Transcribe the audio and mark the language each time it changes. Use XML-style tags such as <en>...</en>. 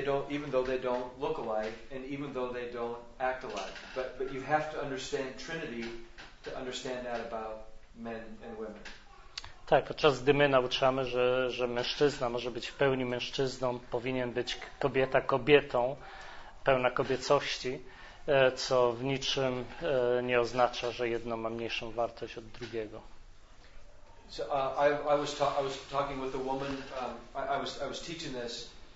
<en>Even though they don't look alike, and even though they don't act alike, but you have to understand Trinity to understand that about men and women.</en> <pl>Tak, podczas gdy my nauczamy, że mężczyzna może być w pełni mężczyzną, powinien być kobieta kobietą, pełna kobiecości, co w niczym nie oznacza, że jedno ma mniejszą wartość od drugiego.</pl> <en>So I was talking with a woman. I was teaching this.</en>